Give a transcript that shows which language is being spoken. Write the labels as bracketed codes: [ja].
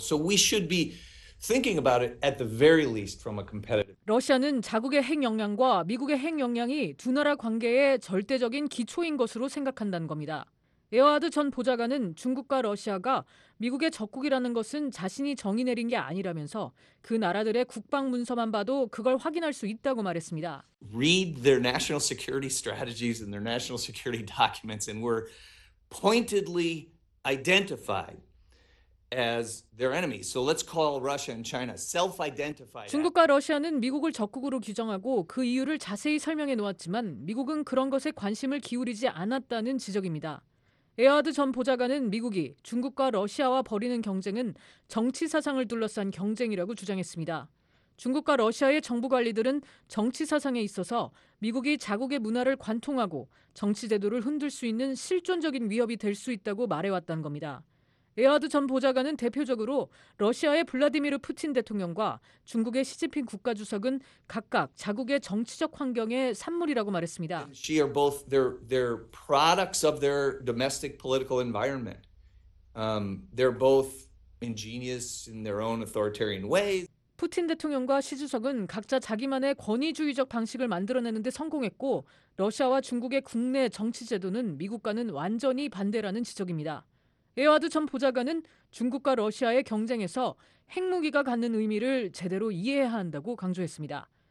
[en] So we should be thinking about it at the very least from a competitive. [ko] 러시아는 자국의 핵 역량과 미국의 핵 역량이 두 나라 관계의 절대적인 기초인 것으로 생각한다는 겁니다. 에어하드 전 보좌관은 중국과 러시아가 미국의 적국이라는 것은 자신이 정의 내린 게 아니라면서 그 나라들의 국방 문서만 봐도 그걸 확인할 수 있다고 말했습니다. [en] Read their national security strategies and their national security documents and were pointedly identified as their enemies. So let's call Russia and China self-identified. [ko] 중국과 러시아는 미국을 적국으로 규정하고 그 이유를 자세히 설명해 놓았지만 미국은 그런 것에 관심을 기울이지 않았다는 지적입니다. 에어하드 전 보좌관은 미국이 중국과 러시아와 벌이는 경쟁은 정치 사상을 둘러싼 경쟁이라고 주장했습니다. 중국과 러시아의 정부 관리들은 정치 사상에 있어서 미국이 자국의 문화를 관통하고 정치 제도를 흔들 수 있는 실존적인 위협이 될 수 있다고 말해왔다는 겁니다. 에어하드 전 보좌관은 대표적으로 러시아의 블라디미르 푸틴 대통령과 중국의 시진핑 국가주석은 각각 자국의 정치적 환경의 산물이라고 말했습니다. [en] She are both they're products of their domestic political environment. They're both ingenious in their own authoritarian ways. [ko] 푸틴 대통령과 시 주석은 각자 자기만의 권위주의적 방식을 만들어내는 데 성공했고 러시아와 중국의 국내 정치 제도는 미국과는 완전히 반대라는 지적입니다. 에어하드 전 보좌관은 중국과 러시아의 경쟁에서 핵무기가 갖는 의미를 제대로 이해해야 한다고 강조했습니다.